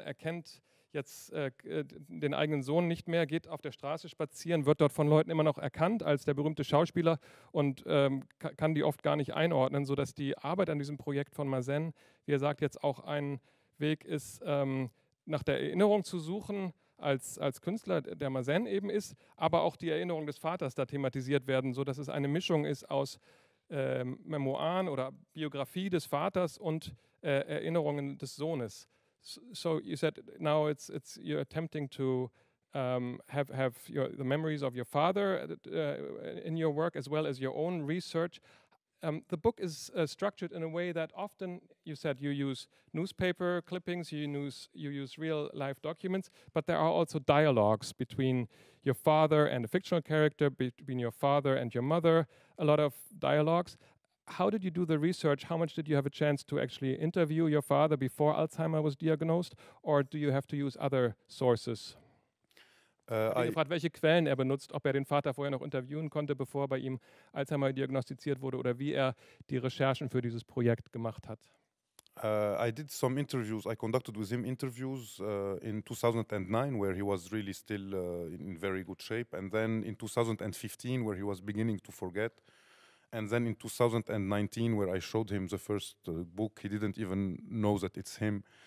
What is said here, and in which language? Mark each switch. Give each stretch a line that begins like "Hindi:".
German: Er kennt jetzt den eigenen Sohn nicht mehr, geht auf der Straße spazieren, wird dort von Leuten immer noch erkannt als der berühmte Schauspieler und kann die oft gar nicht einordnen, sodass die Arbeit an diesem Projekt von Marzen, wie er sagt, jetzt auch ein Weg ist, nach der Erinnerung zu suchen, als Künstler, der Marzen eben ist, aber auch die Erinnerung des Vaters da thematisiert werden, sodass es eine Mischung ist aus Memoiren oder Biografie des Vaters und Erinnerungen des Sohnes.
English: So you said now it's you're attempting to have the memories of your father in your work as well as your own research. The book is structured in a way that often you said you use newspaper clippings, you use real life documents, but there are also dialogues between your father and a fictional character, between your father and your mother, a lot of dialogues. How did you do the research? How much did you have a chance to actually interview your father before Alzheimer was diagnosed? Or do you have to use other sources?
German: Ich habe gefragt, welche Quellen er benutzt, ob er den Vater vorher noch interviewen konnte, bevor bei ihm Alzheimer diagnostiziert wurde, oder wie er die Recherchen für dieses Projekt gemacht hat.
English: I did some interviews. I conducted with him interviews in 2009, where he was really still in very good shape. And then in 2015, where he was beginning to forget. And then in 2019, where I showed him the first book, he didn't even know that it's him.